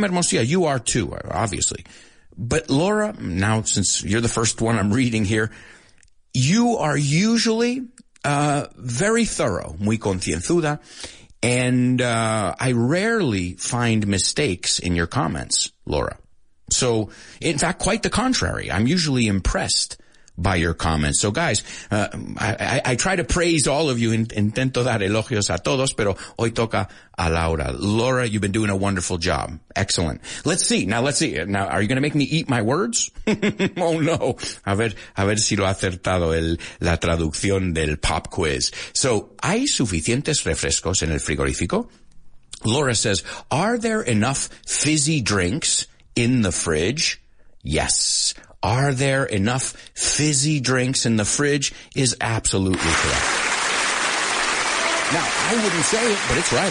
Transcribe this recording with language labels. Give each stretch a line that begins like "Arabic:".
English: Hermosilla, you are too, obviously. But Laura, now since you're the first one I'm reading here, you are usually very thorough,
Spanish: muy concienzuda,
English: and I rarely find mistakes in your comments, Laura. So, in fact, quite the contrary. I'm usually impressed by your comments. So, guys, I try to praise all of you.
Spanish: Intento dar elogios a todos, pero hoy toca a Laura.
English: Laura, you've been doing a wonderful job. Excellent. Let's see. Now, are you going to make me eat my words? Oh, no.
Spanish: A ver si lo ha acertado la traducción del pop quiz. So, ¿hay suficientes refrescos en el frigorífico?
English: Laura says, are there enough fizzy drinks in the fridge? Yes. Are there enough fizzy drinks in the fridge is absolutely correct. Now, I wouldn't say it, but it's right.